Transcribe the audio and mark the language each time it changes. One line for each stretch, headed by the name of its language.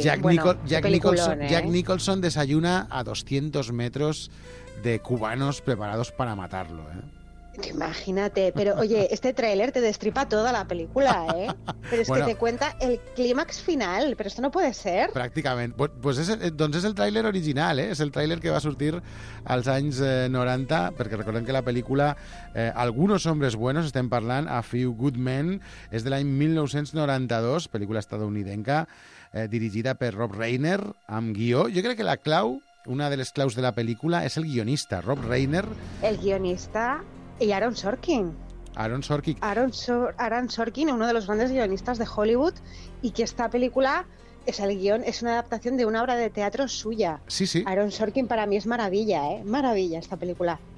Spanish: Jack Nicholson desayuna a 200 metros de cubanos preparados para matarlo, ¿eh? Imagínate, pero oye, este tráiler te destripa toda la película, ¿eh? Pero es bueno, que te cuenta el clímax final, pero esto no puede ser. Prácticamente. Pues entonces es el tráiler original, ¿eh? Es el tráiler que va a surtir
Catalan: als anys 90, perquè recordem que la película Algunos hombres buenos, estem parlant, A Few Good Men, és de l'any 1992, película estadounidenca, dirigida per Rob Reiner, amb guió. Jo crec que la clau
Spanish: una de las claus de la película es el guionista, Rob Reiner. El guionista y Aaron Sorkin. Aaron Sorkin. Aaron Sorkin, uno de los grandes guionistas de Hollywood, y que esta película, es el guión, es una adaptación de una obra de teatro suya. Sí, sí. Aaron Sorkin para mí es maravilla, ¿eh? Maravilla esta película.